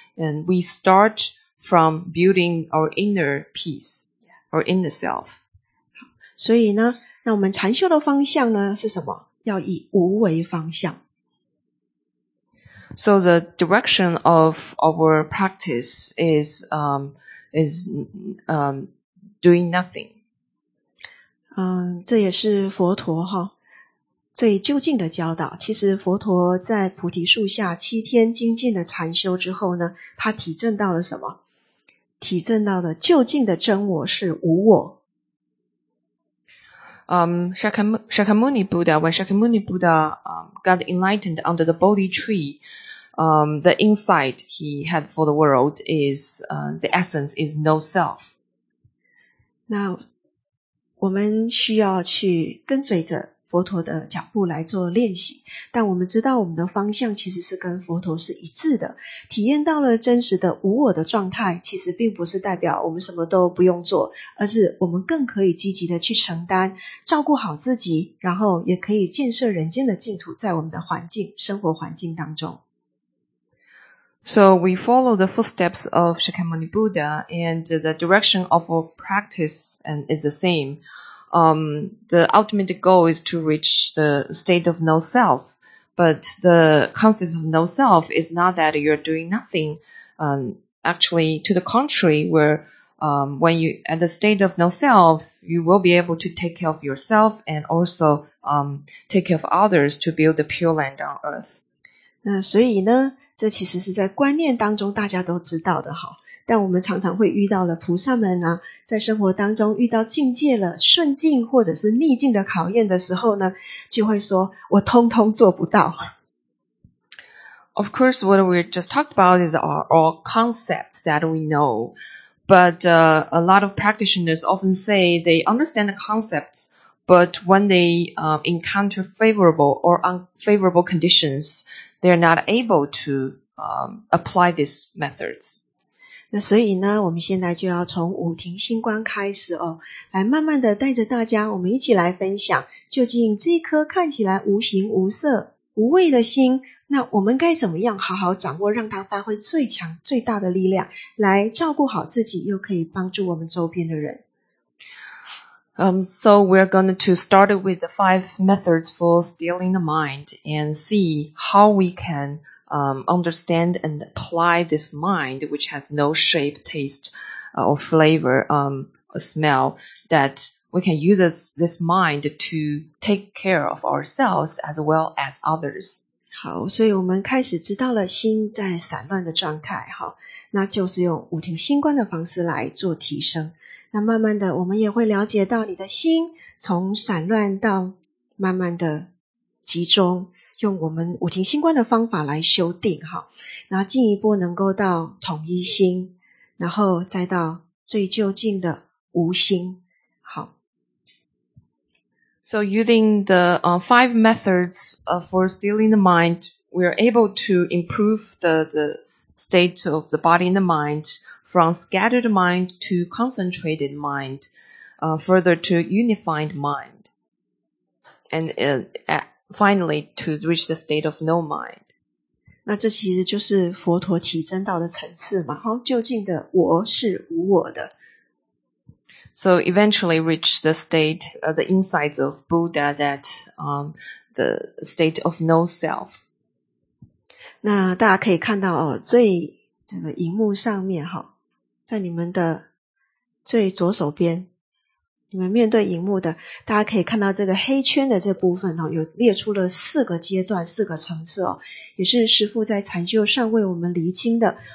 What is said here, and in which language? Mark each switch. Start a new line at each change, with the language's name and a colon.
English: And we start from building our inner peace, our inner self.
Chinese: 所以呢，那我们禅修的方向呢，是什么？要以无为方向。
English: So the direction of our practice is doing nothing.
Chinese: 这也是佛陀哈最究竟的教导。其实佛陀在菩提树下七天精进的禅修之后呢，他体证到了什么？体证到了究竟的真我是无我。
English: Shakyamuni Buddha, when Shakyamuni Buddha got enlightened under the Bodhi tree, the insight he had for the world is the essence is no self. Now.
Chinese: 我们需要去跟随着佛陀的脚步来做练习，但我们知道我们的方向其实是跟佛陀是一致的。体验到了真实的无我的状态，其实并不是代表我们什么都不用做，而是我们更可以积极的去承担，照顾好自己，然后也可以建设人间的净土在我们的环境，生活环境当中。
English: So we follow the footsteps of Shakyamuni Buddha, and the direction of our practice and is the same. The ultimate goal is to reach the state of no self, but the concept of no self is not that you're doing nothing. Actually, to the contrary, where when you at the state of no self, you will be able to take care of yourself and also take care of others to build the pure land on earth.
Chinese: 那所以呢，这其实是在观念当中大家都知道的哈。但我们常常会遇到了菩萨们啊，在生活当中遇到境界了，顺境或者是逆境的考验的时候呢，就会说我通通做不到。
English: Of course, what we just talked about is all concepts that we know. But a lot of practitioners often say they understand the concepts, but when they encounter favorable or unfavorable conditions, they're not able to apply these methods.
Chinese: 那所以呢，我们现在就要从五庭星光开始哦，来慢慢的带着大家，我们一起来分享，究竟这颗看起来无形无色无畏的心，那我们该怎么样好好掌握，让它发挥最强最大的力量，来照顾好自己，又可以帮助我们周边的人。
English: So we're going to start with the five methods for stilling the mind and see how we can understand and apply this mind which has no shape, taste, or flavor, or smell, that we can use this mind to take care of ourselves as well as others.
Chinese: 好，所以我们开始知道了心在散乱的状态，好，那就是用五庭星观的方式来做提升。那慢慢的我们也会了解到你的心从散乱到慢慢的集中，用我们五庭星观的方法来修定，好，然后进一步能够到统一心，然后再到最究竟的无心。
English: So using the five methods for stilling the mind, we are able to improve the state of the body and the mind from scattered mind to concentrated mind, further to unified mind, and finally to reach the state of no mind.
Chinese: 那这其实就是佛陀提升到的层次嘛，好，究竟的我是无我的。
English: So eventually reach the state, the insights of Buddha, that the state of no self.
Chinese: 那大家可以看到哦，最这个荧幕上面哈，在你们的最左手边，你们面对荧幕的，大家可以看到这个黑圈的这部分哦，有列出了四个阶段、四个层次哦，也是师父在禅修上为我们厘清的。